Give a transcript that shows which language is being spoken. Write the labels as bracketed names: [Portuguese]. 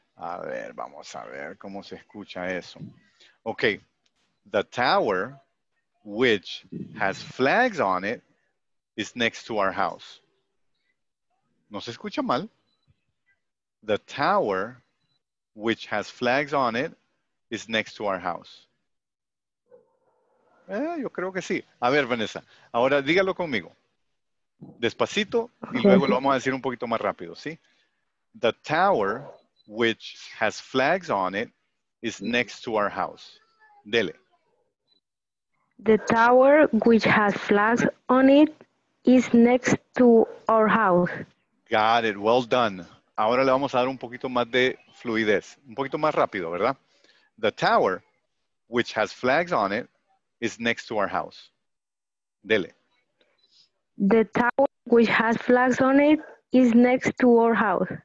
[Spanish] A ver, vamos a ver cómo se escucha eso. [English] Okay. The tower, which has flags on it, is next to our house. [Spanish] ¿No se escucha mal? [English] The tower, which has flags on it, is next to our house. [Spanish] Yo creo que sí. A ver, Vanessa, ahora dígalo conmigo. Despacito, y luego lo vamos a decir un poquito más rápido, ¿sí? [English] The tower, which has flags on it, is next to our house. [Spanish] Dele. [English] The tower, which has flags on it, is next to our house. Got it. Well done. [Spanish] Ahora le vamos a dar un poquito más de fluidez. Un poquito más rápido, ¿verdad? [English] The tower, which has flags on it, is next to our house. [Spanish] Dele. [English] The tower, which has flags on it, is next to our house.